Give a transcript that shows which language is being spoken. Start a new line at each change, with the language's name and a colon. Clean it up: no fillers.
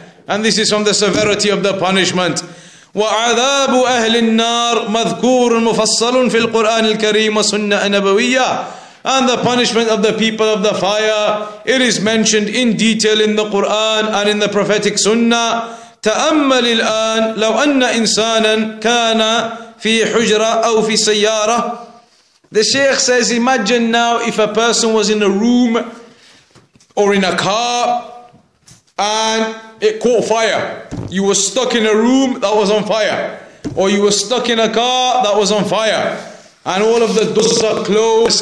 English: And this is from the severity of the punishment.
Arabic: وَعَذَابُ أَهْلِ النَّارِ مَذْكُورٌ مُفَصَّلٌ فِي الْقُرْآنِ الْكَرِيمِ وَسُنَّةِ النَّبَوِيَّةِ.
English: And the punishment of the people of the fire, it is mentioned in detail in the Quran and in the prophetic Sunnah.
Arabic: تأمل الآن لو أن إنسانا كان في حجرة أو في سيارة.
English: The Sheikh says, imagine now if a person was in a room or in a car and it caught fire. You were stuck in a room that was on fire, or you were stuck in a car that was on fire, and all of the doors are closed.